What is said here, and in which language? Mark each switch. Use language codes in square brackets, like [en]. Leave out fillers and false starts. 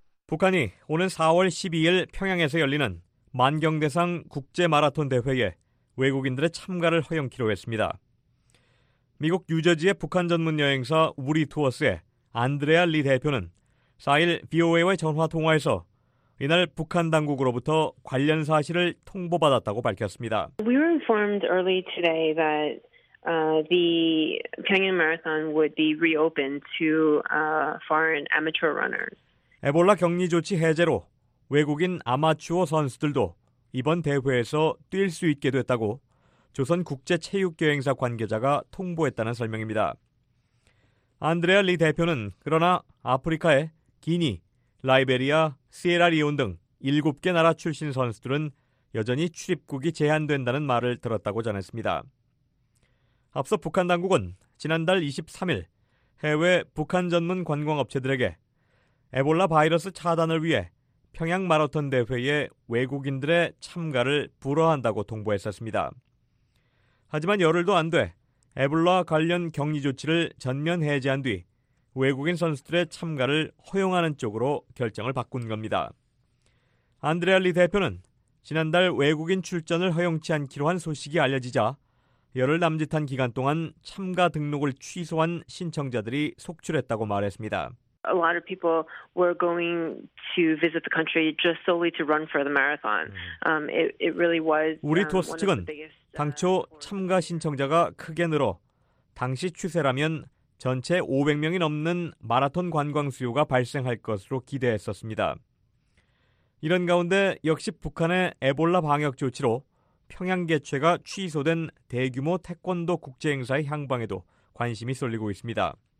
[ko] 북한이 오는 4월 12일 평양에서 열리는 만경대상 국제마라톤 대회에 외국인들의 참가를 허용키로 했습니다. 미국 뉴저지의 북한 전문 여행사 우리 투어스의 안드레아 리 대표는 4일 BOA와의 전화 통화에서 이날 북한 당국으로부터 관련 사실을 통보받았다고 밝혔습니다. [en] We were informed early today that the Pyongyang Marathon would be reopened to foreign amateur runners. [ko] 에볼라 격리 조치 해제로 외국인 아마추어 선수들도 이번 대회에서 뛸 수 있게 됐다고 조선국제체육여행사 관계자가 통보했다는 설명입니다. 안드레아 리 대표는 그러나 아프리카의 기니, 라이베리아, 시에라리온 등 7개 나라 출신 선수들은 여전히 출입국이 제한된다는 말을 들었다고 전했습니다. 앞서 북한 당국은 지난달 23일 해외 북한 전문 관광업체들에게 에볼라 바이러스 차단을 위해 평양 마라톤 대회에 외국인들의 참가를 불허한다고 통보했었습니다. 하지만 열흘도 안 돼 에볼라 관련 격리 조치를 전면 해제한 뒤 외국인 선수들의 참가를 허용하는 쪽으로 결정을 바꾼 겁니다. 안드레아 리 대표는 지난달 외국인 출전을 허용치 않기로 한 소식이 알려지자 열흘 남짓한 기간 동안 참가 등록을 취소한 신청자들이 속출했다고 말했습니다. [en] A lot of people were going to visit the country just solely to run for the marathon. It really was. [ko] 우리 투어스 측은 당초 참가 신청자가 크게 늘어 당시 추세라면 전체 500명이 넘는 마라톤 관광 수요가 발생할 것으로 기대했었습니다. 이런 가운데 역시 북한의 에볼라 방역 조치로 평양 개최가 취소된 대규모 태권도 국제 행사의 향방에도 관심이 쏠리고 있습니다.